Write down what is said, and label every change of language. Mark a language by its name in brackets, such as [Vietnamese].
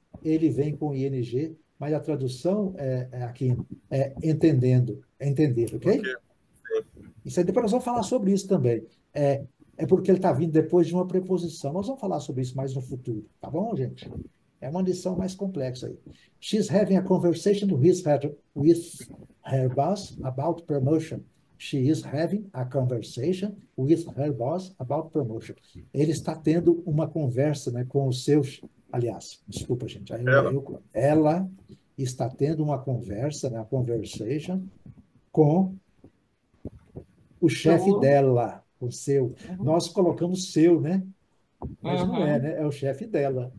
[Portuguese] ele vem com ING, mas a tradução aqui é entendendo, é entender, ok? Isso aí depois nós vamos falar sobre isso também. É porque ele está vindo depois de uma preposição. Nós vamos falar sobre isso mais no futuro, tá bom, gente? É uma lição mais complexa aí. [English] She's having a conversation with her boss about promotion. She is having a conversation with her boss about promotion. [Portuguese] Ele está tendo uma conversa, né, com os seus. Aliás, desculpa, gente. Ela está tendo uma conversa, né, [English] a conversation [Portuguese] com o chefe dela, o seu. Nós colocamos seu, né? Mas não é, né? É o chefe dela.